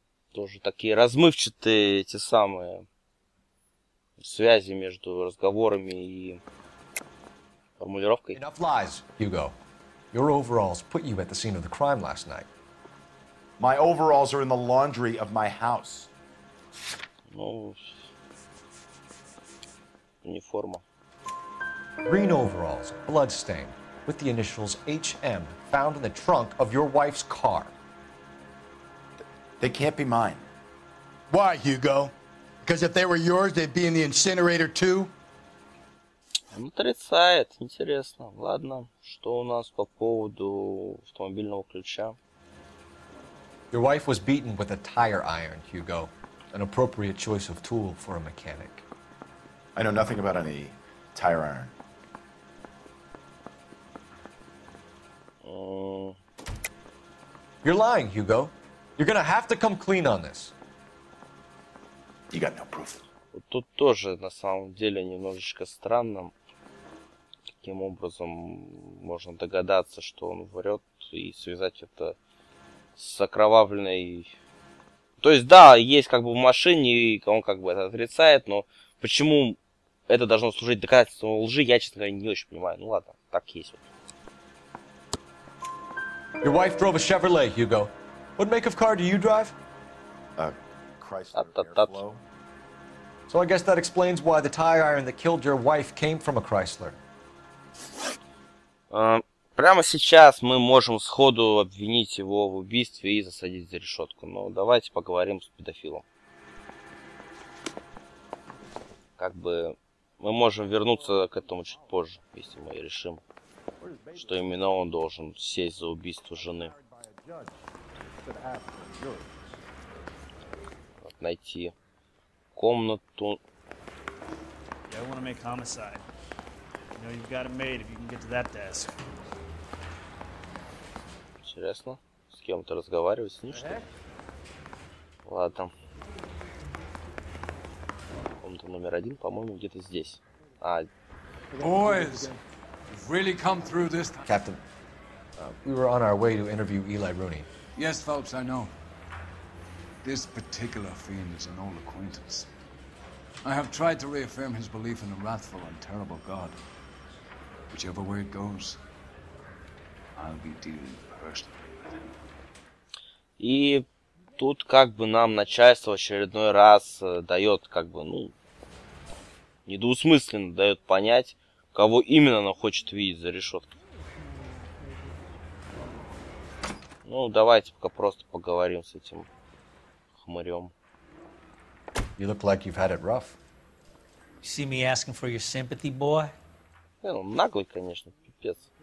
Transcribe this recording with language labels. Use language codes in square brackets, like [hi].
[ru] Тоже такие размывчатые эти самые связи между разговорами и формулировкой. [en] Enough lies, Hugo. Your overalls put you at the scene of the crime last night. My overalls are in the laundry of my house. [ru] Ну, униформа. [en] Green overalls, bloodstained, with the initials HM, found in the trunk of your wife's car. They can't be mine. Why, Hugo? Because if they were yours, they'd be in the incinerator too. [ru] Он отрицает. Интересно. Ладно, что у нас по поводу автомобильного ключа? [en] Your wife was beaten with a tire iron, Hugo. An appropriate choice of tool for a mechanic. I know nothing about any tire iron. You're lying, Hugo. You're gonna have to come clean on this. You got no proof. [ru] Вот тут тоже на самом деле немножечко странно, каким образом можно догадаться, что он врет, и связать это с окровавленной. То есть да, есть как бы в машине, и он как бы это отрицает, но почему это должно служить доказательством лжи, я, честно говоря, не очень понимаю. Ну ладно, так есть вот. [en] Your wife drove a Chevrolet, Hugo. What make of car do you drive? Chrysler Airflow. So I guess that explains why the tire iron that killed your wife came from a Chrysler. [ru] Прямо сейчас мы можем сходу обвинить его в убийстве и засадить за решетку. Но давайте поговорим с педофилом. Как бы мы можем вернуться к этому чуть позже, если мы решим, что именно он должен сесть за убийство жены. Найти комнату. Интересно, с кем-то разговаривать с ним, что ли? Ладно. Комната номер один, по-моему, где-то здесь. [en] Boys, you've really come through this time. Captain, we were on our way to interview Eli Rooney. Yes, Phelps, I know. This particular fiend is an old acquaintance. I have tried to reaffirm his belief in a wrathful and terrible God. Whichever way it goes, I'll be dealing [ru] И тут как бы нам начальство в очередной раз дает как бы, ну, недвусмысленно дает понять, кого именно она хочет видеть за решеткой. Ну, давайте пока просто поговорим с этим хмырем. [en] You look like you've had it rough. You see me asking for your sympathy, boy? [ru] Не, ну, наглый, конечно, пипец.